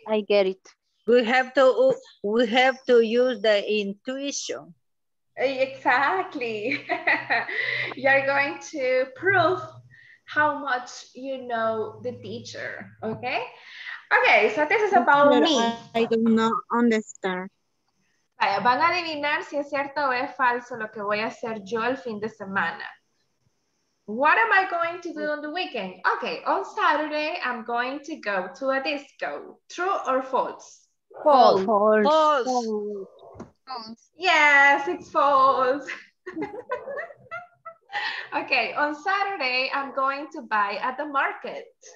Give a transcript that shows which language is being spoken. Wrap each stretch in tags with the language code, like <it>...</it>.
<en>I get it. We have to use the intuition. Exactly. You're going to prove how much you know the teacher, okay? Okay, so this is about me. I do not understand.</en> <es>Vaya, van a adivinar si es cierto o es falso lo que voy a hacer yo el fin de semana.</es> <en>What am I going to do on the weekend? Okay, on Saturday, I'm going to go to a disco. True or false? False. False. False. False. Yes, it's false. Okay, on Saturday, I'm going to buy at the market.</en>